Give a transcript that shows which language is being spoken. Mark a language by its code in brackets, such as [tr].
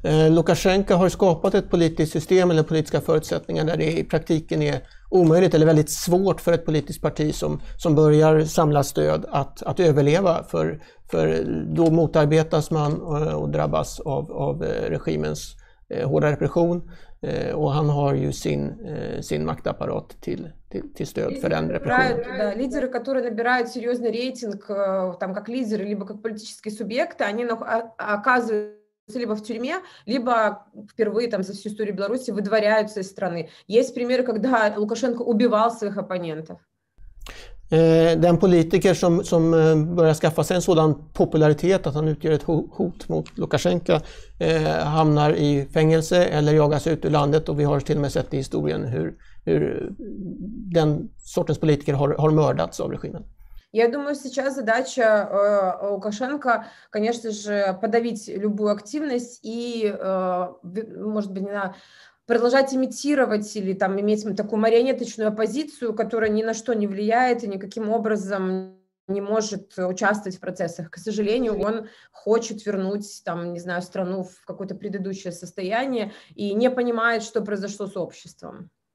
[sv] Лукашенко har skapat ett politiskt system eller politiska förutsättningar där det i praktiken är omöjligt eller väldigt svårt för ett politiskt parti som börjar samla stöd att överleva, för då motarbetas man och drabbas av regimens hårda repression. Och han har ju sin maktapparat till stöd för den repressionen. [ru] Да, лидеры, которые набирают серьезный рейтинг, там как лидеры, либо как политические субъекты, они оказывают либо в тюрьме, либо впервые там за всю историю Беларуси выдворяются из страны. Есть примеры, когда Лукашенко убивал своих оппонентов. [sv] Den politiker som börjar skaffa sig en sådan popularitet att han utgör ett hot mot Lukashenko hamnar i fängelse eller jagas ut ur landet, och vi har till och med sett i historien hur den sortens politiker har mördats av regimen. [ru] Я думаю, сейчас задача Лукашенко, конечно же, подавить любую активность и, может быть, на продолжать имитировать или там иметь такую марионеточную оппозицию, которая ни на что не влияет и никаким образом не может участвовать в процессах. К сожалению, он хочет вернуть там, не знаю, страну в какое-то предыдущее состояние и не понимает, что произошло с обществом.